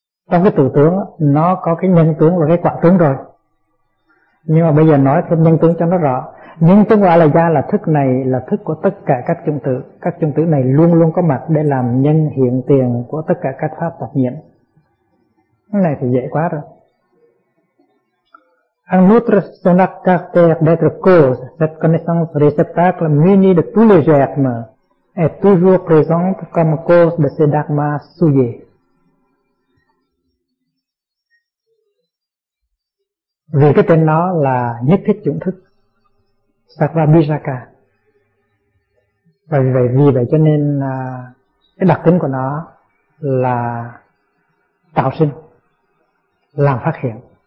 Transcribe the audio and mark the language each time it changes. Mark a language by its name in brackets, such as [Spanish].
[Vietnamese] Trong cái tự tướng nó có cái nhân tướng và cái quả tướng rồi, nhưng mà bây giờ nói thêm nhân tướng cho nó rõ. Nhân tướng của Alaya là thức này là thức của tất cả các chủng tử. Các chủng tử này luôn luôn có mặt để làm nhân hiện tiền của tất cả các pháp tập nhiễm. Cái này thì dễ quá rồi. [French] Un autre son caractère d'être cause, cette connaissance réceptacle munie de tous les germes, est toujours présente comme cause de ces dharmas souillés. [Vietnamese] Vì cái tên nó là nhất thiết chủng thức, Sarvabhijaka. Và vì vậy cho nên cái đặc tính của nó là tạo sinh, làm phát hiện.